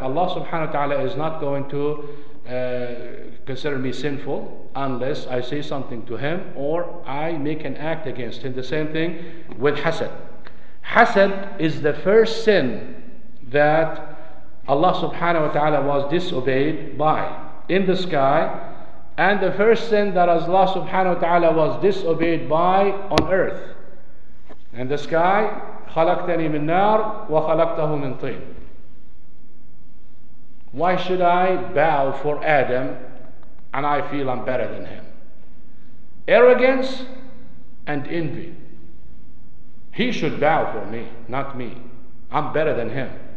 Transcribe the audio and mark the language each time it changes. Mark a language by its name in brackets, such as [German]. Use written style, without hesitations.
[English] Allah subhanahu wa ta'ala is not going to consider me sinful unless I say something to him or I make an act against him. The same thing with hasad. Hasad is the first sin that Allah subhanahu wa ta'ala was disobeyed by in the sky, and the first sin that Allah subhanahu wa ta'ala was disobeyed by on earth. In the sky, [Arabic] خَلَقْتَنِي مِن نَار وَخَلَقْتَهُ مِن طِين. [English] Why should I bow for Adam and I feel I'm better than him? Arrogance and envy. He should bow for me, not me. I'm better than him.